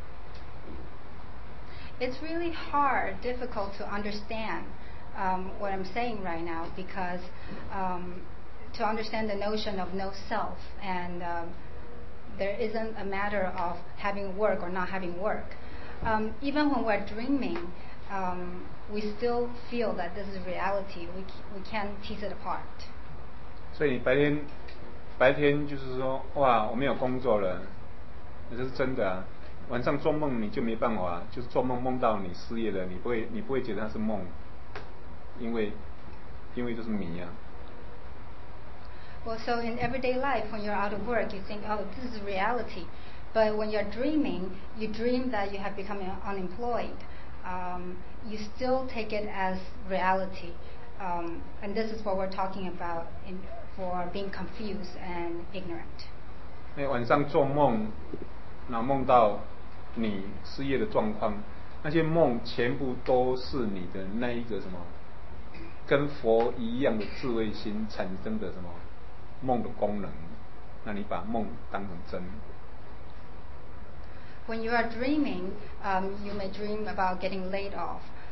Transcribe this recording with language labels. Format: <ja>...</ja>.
<zh>这工作也是假的，不容易体会啊。可是，就做梦，你的工作是什么？你被坏掉了，你还是觉得很真实啊。It's</zh> <en>really hard, difficult to understand what I'm saying right now because to understand the notion of no self and there isn't a matter of having work or not having work. Even when we're dreaming. We still feel that this is reality. We can't tease it apart.</en> <zh>所以白天白天就是说哇我没有工作了，这是真的啊。晚上做梦你就没办法，就是做梦梦到你失业了，你不会觉得它是梦，因为就是迷啊。</zh> <en>Well, so in everyday life, when you're out of work, you think, oh, this is reality. But when you're dreaming, you dream that you have become unemployed. You still take it as reality. And this is what we're talking about for being confused and ignorant.</en> <zh>晚上做梦，那梦到你失业的状况，那些梦全部都是你的那一个什么，跟佛一样的智慧心产生的什么？梦的功能，那你把梦当成真。</zh> <en>When you are dreaming, you may dream about getting laid off.</en>